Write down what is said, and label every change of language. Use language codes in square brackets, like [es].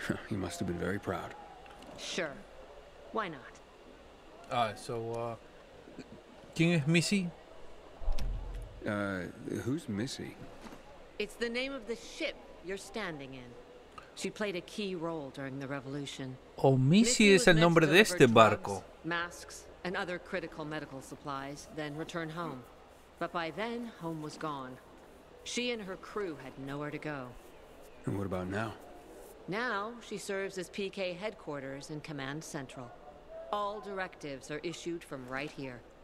[en] He must have been very proud. Sure. Why not? [es] ¿Quién es Missy? [en] Who's Missy? It's the name of the ship you're standing in. She played a key role during the revolution. [es] Oh, Missy es el nombre de este barco. [en] Masks and other critical medical supplies, then return home. But by then, home was gone. She and her crew had nowhere to go. And what about now? Now, she serves as PK headquarters in Command Central. All directives are issued from right here.